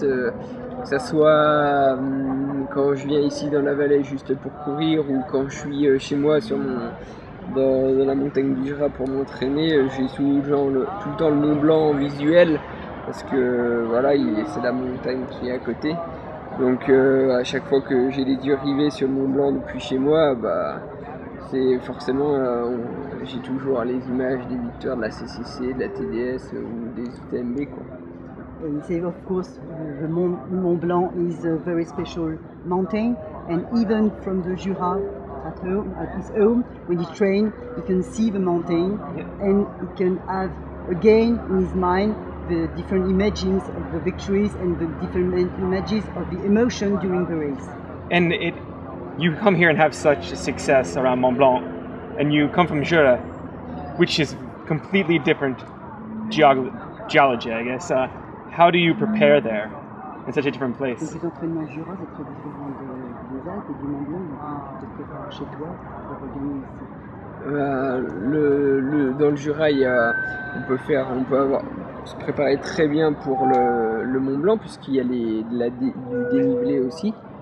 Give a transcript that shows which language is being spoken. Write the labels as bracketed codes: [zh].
[fr] Que ça soit quand je viens ici dans la vallée juste pour courir ou quand je suis chez moi dans la montagne du Jura pour m'entraîner, j'ai tout le temps le Mont Blanc en visuel parce que voilà, c'est la montagne qui est à côté. Donc à chaque fois que j'ai les yeux rivés sur le Mont Blanc depuis chez moi, c'est forcément j'ai toujours les images des victoires de la CCC, de la TDS ou des UTMB quoi. [en] And say of course the Mont Blanc is a very special mountain, and even from the Jura at his home when he trains, he can see the mountain and he can have again in his mind the different images of the victories and the different images of the emotion during the race. And you come here and have such success around Mont Blanc, and you come from Jura, which is completely different geology, I guess. How do you prepare there in such a different place? [fr] Donc, l'entraînement Jura, c'est très différent des Alpes et du Mont Blanc. Tu te prépares chez toi pour gagner ici. Dans le Jura, on peut se préparer très bien pour le Mont Blanc puisqu'il y a du dénivelé aussi.